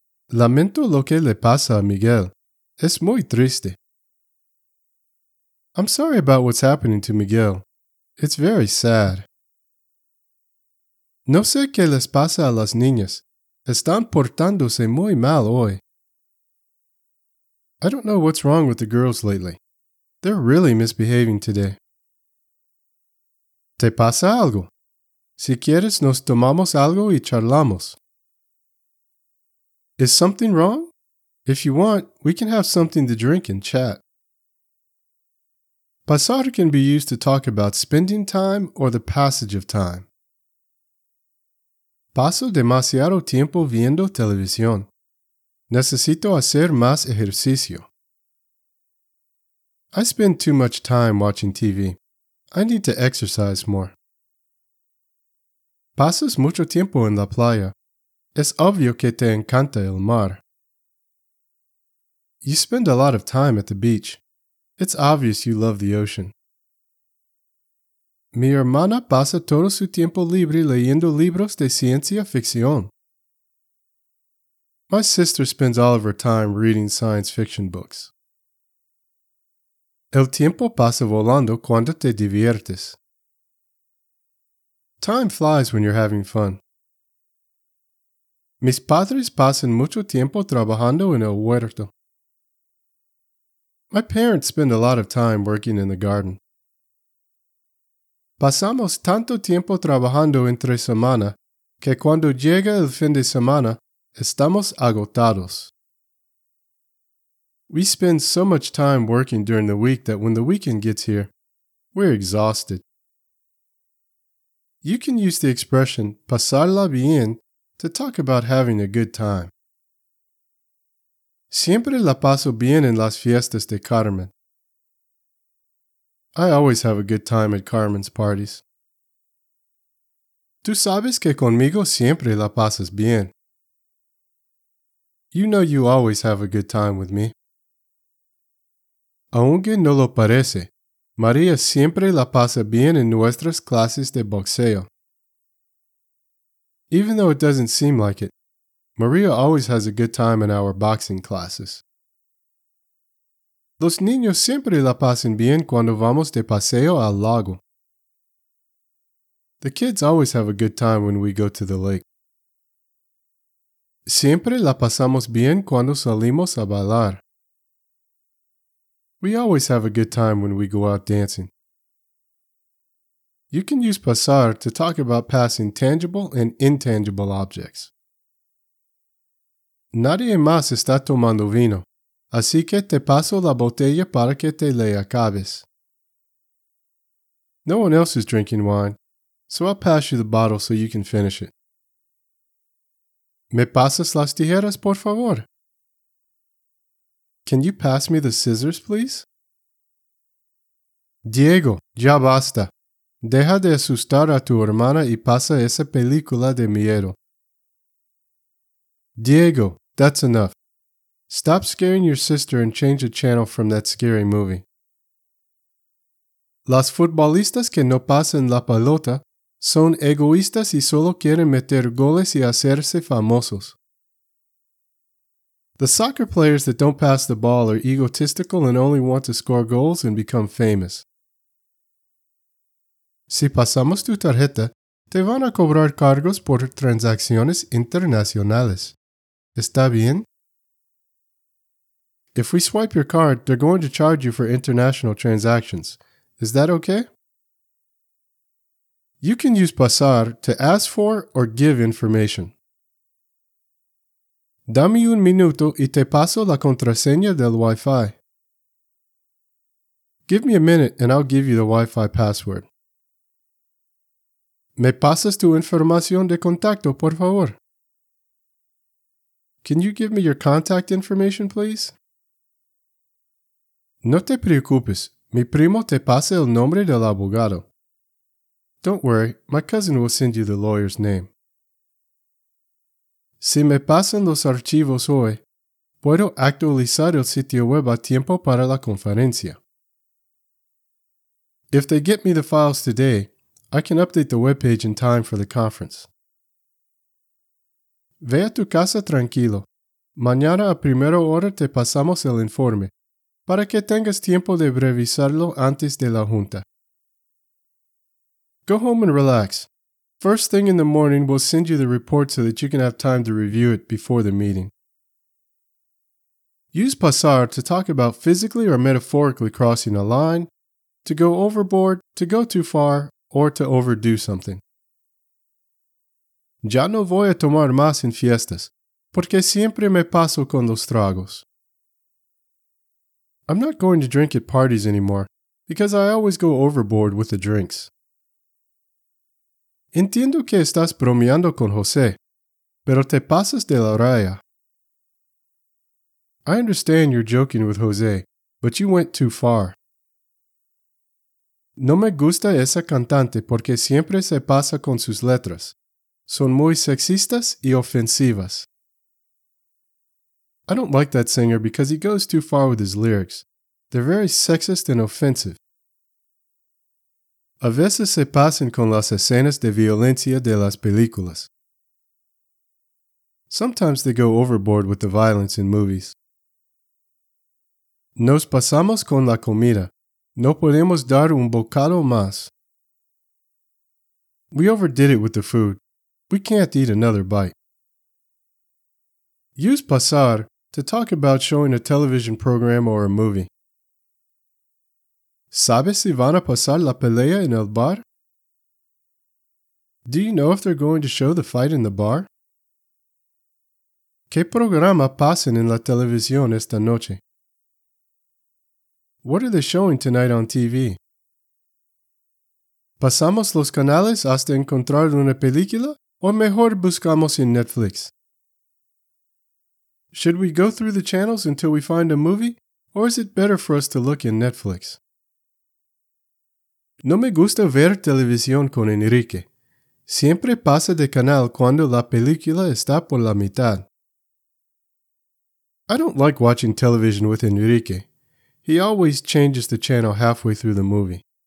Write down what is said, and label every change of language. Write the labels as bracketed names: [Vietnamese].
[Spanish] Lamento lo que le pasa a Miguel. Es muy triste. [English] I'm sorry about what's happening to Miguel. It's very sad. [Spanish] No sé qué les pasa a las niñas. Están portándose muy mal hoy. [English] I don't know what's wrong with the girls lately. They're really misbehaving today. [Spanish] ¿Te pasa algo? Si quieres, nos tomamos algo y charlamos. [English] Is something wrong? If you want, we can have something to drink and chat. Pasar can be used to talk about spending time or the passage of time. [Spanish] Paso demasiado tiempo viendo televisión. Necesito hacer más ejercicio. [English] I spend too much time watching TV. I need to exercise more. [Spanish] Pasas mucho tiempo en la playa. Es obvio que te encanta el mar. [English] You spend a lot of time at the beach. It's obvious you love the ocean. [Spanish] Mi hermana pasa todo su tiempo libre leyendo libros de ciencia ficción. [English] My sister spends all of her time reading science fiction books. [Spanish] El tiempo pasa volando cuando te diviertes. [English] Time flies when you're having fun. [Spanish] Mis padres pasan mucho tiempo trabajando en el huerto. [English] My parents spend a lot of time working in the garden. [Spanish] Pasamos tanto tiempo trabajando entre semana que cuando llega el fin de semana, estamos agotados. [English] We spend so much time working during the week that when the weekend gets here, we're exhausted. You can use the expression pasarla bien to talk about having a good time. [Spanish] Siempre la paso bien en las fiestas de Carmen. [English] I always have a good time at Carmen's parties. [Spanish] Tú sabes que conmigo siempre la pasas bien. [English] You know you always have a good time with me. [Spanish] Aunque no lo parece, María siempre la pasa bien en nuestras clases de boxeo. [English] Even though it doesn't seem like it, María always has a good time in our boxing classes. [Spanish] Los niños siempre la pasan bien cuando vamos de paseo al lago. [English] The kids always have a good time when we go to the lake. [Spanish] Siempre la pasamos bien cuando salimos a bailar. [English] We always have a good time when we go out dancing. You can use pasar to talk about passing tangible and intangible objects. [Spanish] Nadie más está tomando vino, así que te paso la botella para que te la acabes. [English] No one else is drinking wine, so I'll pass you the bottle so you can finish it. [Spanish] ¿Me pasas las tijeras, por favor? [English] Can you pass me the scissors, please? [Spanish] Diego, ya basta. Deja de asustar a tu hermana y pasa esa película de miedo. [English] Diego, that's enough. Stop scaring your sister and change the channel from that scary movie. [Spanish] Las futbolistas que no pasan la pelota son egoístas y solo quieren meter goles y hacerse famosos. [English] The soccer players that don't pass the ball are egotistical and only want to score goals and become famous. [Spanish] Si pasamos tu tarjeta, te van a cobrar cargos por transacciones internacionales. ¿Está bien? [English] If we swipe your card, they're going to charge you for international transactions. Is that okay? You can use pasar to ask for or give information. [Spanish] Dame un minuto y te paso la contraseña del Wi-Fi. [English] Give me a minute and I'll give you the Wi-Fi password. [Spanish] ¿Me pasas tu información de contacto, por favor? [English] Can you give me your contact information, please? [Spanish] No te preocupes, mi primo te pasa el nombre del abogado. [English] Don't worry, my cousin will send you the lawyer's name. [Spanish] Si me pasan los archivos hoy, puedo actualizar el sitio web a tiempo para la conferencia. [English] If they get me the files today, I can update the webpage in time for the conference. [Spanish] Ve a tu casa tranquilo. Mañana a primera hora te pasamos el informe, para que tengas tiempo de revisarlo antes de la junta. [English] Go home and relax. First thing in the morning, we'll send you the report so that you can have time to review it before the meeting. Use pasar to talk about physically or metaphorically crossing a line, to go overboard, to go too far, or to overdo something. [Spanish] Ya no voy a tomar más en fiestas, porque siempre me paso con los tragos. [English] I'm not going to drink at parties anymore, because I always go overboard with the drinks. [Spanish] Entiendo que estás bromeando con José, pero te pasas de la raya. [English] I understand you're joking with José, but you went too far. [Spanish] No me gusta esa cantante porque siempre se pasa con sus letras. Son muy sexistas y ofensivas. [English] I don't like that singer because he goes too far with his lyrics. They're very sexist and offensive. [Spanish] A veces se pasan con las escenas de violencia de las películas. [English] Sometimes they go overboard with the violence in movies. [Spanish] Nos pasamos con la comida. No podemos dar un bocado más. [English] We overdid it with the food. We can't eat another bite. Use pasar to talk about showing a television program or a movie. [Spanish] ¿Sabes si van a pasar la pelea en el bar? [English] Do you know if they're going to show the fight in the bar? [Spanish] ¿Qué programa pasan en la televisión esta noche? [English] What are they showing tonight on TV? [Spanish] ¿Pasamos los canales hasta encontrar una película o mejor buscamos en Netflix? [English] Should we go through the channels until we find a movie, or is it better for us to look in Netflix? [Spanish] No me gusta ver televisión con Enrique. Siempre pasa de canal cuando la película está por la mitad. [English] I don't like watching television with Enrique. He always changes the channel halfway through the movie.